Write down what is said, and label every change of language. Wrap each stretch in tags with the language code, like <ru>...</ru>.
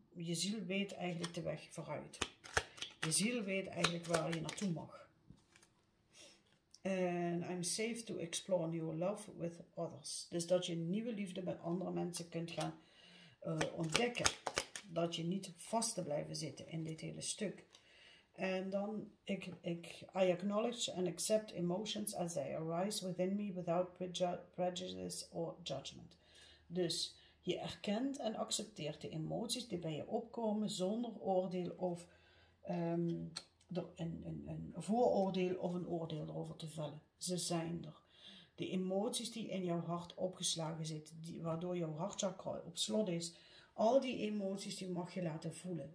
<nl>Je ziel weet eigenlijk de weg vooruit. Je ziel weet eigenlijk waar je naartoe mag.</nl> <en>And I'm safe to explore new love with others.</en> <nl>Dus dat je nieuwe liefde met andere mensen kunt gaan ontdekken. Dat je niet vast te blijven zitten in dit hele stuk. En dan,</nl> <en>I acknowledge and accept emotions as they arise within me without prejudice or judgment.</en> <nl>Dus je erkent en accepteert de emoties die bij je opkomen zonder oordeel of een vooroordeel of een oordeel erover te vellen. Ze zijn er. De emoties die in jouw hart opgeslagen zitten, waardoor jouw hartchakra op slot is, al die emoties die mag je laten voelen.</nl>